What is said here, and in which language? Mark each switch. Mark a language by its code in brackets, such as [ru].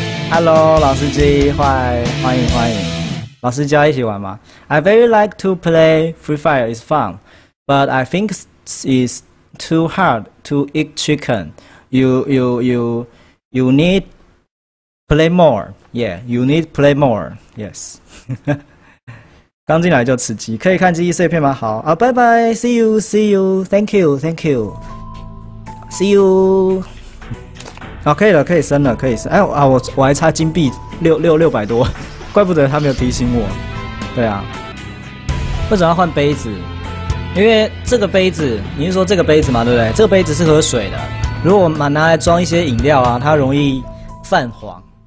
[zh] Hello， 老司机，欢迎。老司机要一起玩吗 ？ [en] I very like to play Free Fire. It's fun, but I think it's too hard to eat chicken. You need play more. Yeah, you need play more. Yes. [zh] 刚进来就吃鸡，可以看记忆碎片吗？好啊，拜拜 ， [en] see you，thank you，see you。 [zh] 好、啊，可以升。哎啊，我还差金币六百多，怪不得他没有提醒我。对啊，为什么要换杯子？因为这个杯子，你是说这个杯子吗？对不对？这个杯子是喝水的，如果拿来装一些饮料啊，它容易泛黄。